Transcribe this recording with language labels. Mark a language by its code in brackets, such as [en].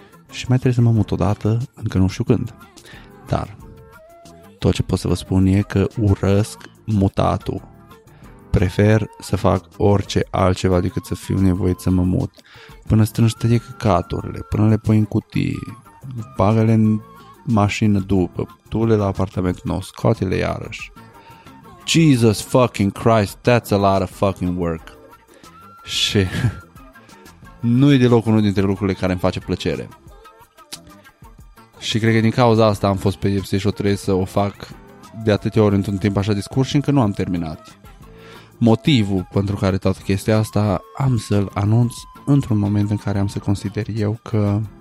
[ro] Și mai trebuie să mă mut odată, încă nu știu când. Dar tot ce pot să vă spun e că urăsc mutatul. Prefer să fac orice altceva decât să fiu nevoit să mă mut. Până strâng toate căcaturile, până le pui în cutii, bagă-le în mașină după, du-le la apartamentul nou, scoate-le iarăși. [en] Jesus fucking Christ, that's a lot of fucking work. [ro] Și nu e deloc unul dintre lucrurile care îmi face plăcere. Și cred că din cauza asta am fost pedepsit și o trebuie să o fac de atâtea ori într-un timp așa de scurt și încă nu am terminat. Motivul pentru care toată chestia asta am să-l anunț într-un moment în care am să consider eu că...